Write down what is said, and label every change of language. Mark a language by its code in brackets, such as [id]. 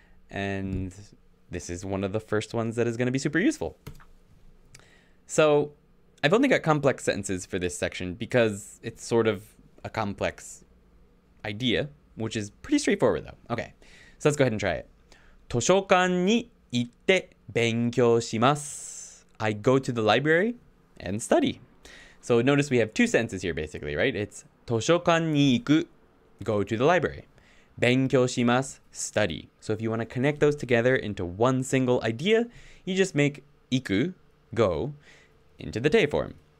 [en] And this is one of the first ones that is going to be super useful. So I've only got complex sentences for this section because it's sort of a complex idea, which is pretty straightforward though. Okay, so let's go ahead and try it. [ja] 図書館に行って勉強します. [en] I go to the library and study. So notice we have 2 sentences here basically, right? It's [ja] 図書館に行く, [en] go to the library. [ja] Benkyou shimasu, [en] study. So if you want to connect those together into one single idea, you just make iku, go, into the te form.